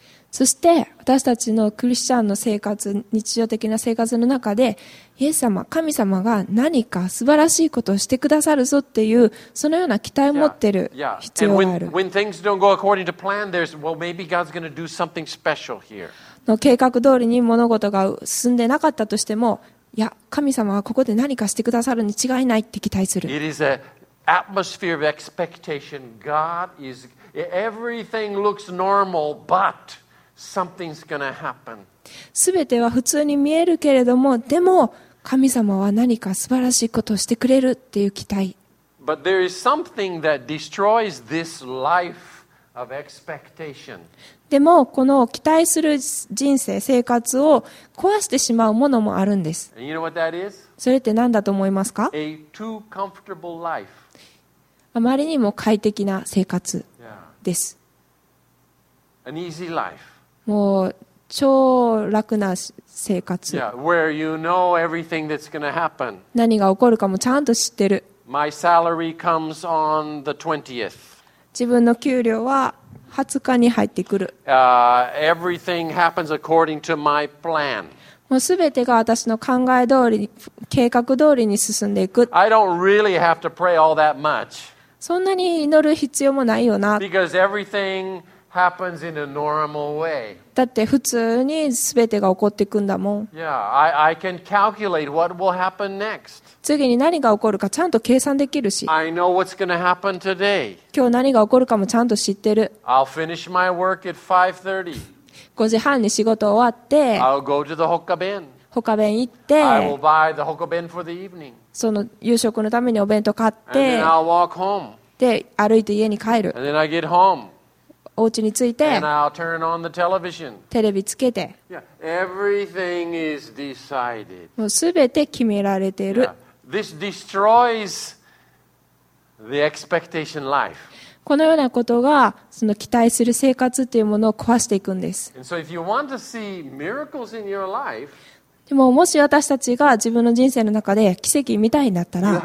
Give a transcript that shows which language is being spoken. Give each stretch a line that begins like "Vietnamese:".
Japanese: そして私たちのクリスチャンの生活、日常的な生活の中で、イエス様、神様が何か素晴らしいことをしてくださるぞっていう、そのような期待を持っている必要がある。
English: When things don't go according to plan, there's, well, maybe God's going to do something special here.
Japanese: の計画通りに物事が進んでなかったとしても、いや、神様はここで何かしてくださるに違いないって期待する。
English: It is an atmosphere of expectation. God is, everything looks normal, but something's going to happen.
Japanese: 全ては普通に見えるけれども、でも神様は何か素晴らしいことをしてくれるっていう期待。
English: But there is something that destroys this life of expectation.
Japanese: でもこの期待する人生生活を壊してしまうものもあるんです。
English: And you know what that is?
Japanese: それって何だと思いますか？
English: A too comfortable life.
Japanese: あまりにも快適な生活です。
English: Yeah. An easy life.
Japanese: もう超楽な生活。
English: Yeah, where you know everything that's going to happen.
Japanese: 何が起こるかもちゃんと知ってる。
English: My salary comes on the 20th.
Japanese: 自分の給料は20日に入ってくる。
English: Everything happens according to my plan.
Japanese: もう全てが私の考え通り、計画通りに進んでいく。
English: I don't really have to pray all that much.
Japanese: そんなに祈る必要もないよな。
English: Because everything happens in a normal way.
Japanese: だって普通に全てが起こっていくんだもん。
English: Yeah, I can calculate what will happen next.
Japanese: 次に何が起こるかちゃんと計算できるし。
English: I know what's going to happen today.
Japanese: 今日何が起こるかもちゃんと知ってる。
English: I'll finish my work at 5:30.
Japanese: 5時半に仕事終わって。
English: I'll go to the hokkaben.
Japanese: 他弁行って。
English: I will buy the hokkaben for the evening.
Japanese: その夕食のためにお弁当買って。
English: And then I'll walk home.
Japanese: で歩いて家に帰る。
English: And then I get home.
Japanese: お家に着いて、
English: And I'll turn on the television.
Japanese: テレビつけて、
English: yeah. Everything is decided.
Japanese: もうすべて決められている
English: yeah. This destroys the expectation life.
Japanese: このようなことがその期待する生活というものを壊していくんです。
English: And so if you want to see miracles in your life,
Japanese: でももし私たちが自分の人生の中で奇跡みたいになったら、